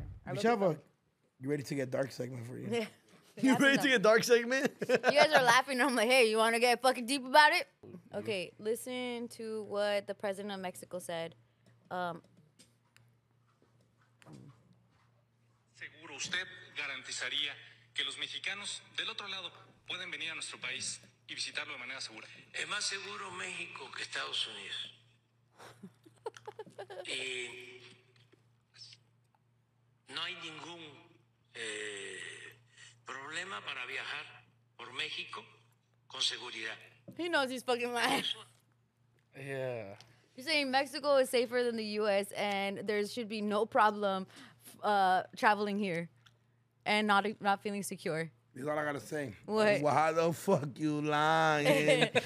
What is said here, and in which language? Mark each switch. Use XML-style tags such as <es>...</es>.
<en>We should have a You Ready to Get Dark segment for you. Yeah. You Ready to Get Dark segment? You guys are laughing. And I'm like, hey, you want to get fucking deep about it? Okay, listen to what the president of Mexico said.</en> <es>Seguro usted garantizaría que los mexicanos del otro lado pueden venir a nuestro país y visitarlo de manera segura. Es más seguro México que Estados Unidos. Y... no hay ningún problema para viajar por México con seguridad.</es> <en>He knows he's fucking lying. Yeah. You're saying Mexico is safer than the U.S. and there should be no problem traveling here and not feeling secure. That's all I got to say. What? Why the fuck you lying?</en>